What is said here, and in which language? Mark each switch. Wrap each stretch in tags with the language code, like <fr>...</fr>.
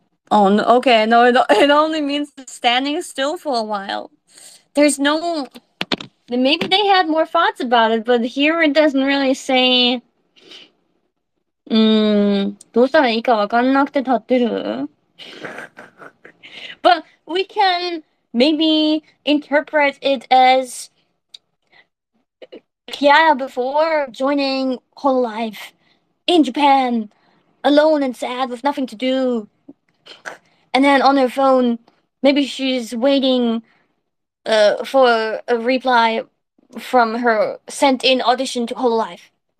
<en>Oh, no, okay, no, it only means standing still for a while. There's no. Maybe they had more thoughts about it, but here it doesn't really say.</en> <ja>どうしたらいいかわかんなくて立ってる?</ja> <en>But we can maybe interpret it as Kiara before joining Hololive Life in Japan, alone and sad with nothing to do. And then on her phone, maybe she's waiting for a reply from her sent in audition to Hololive.</en>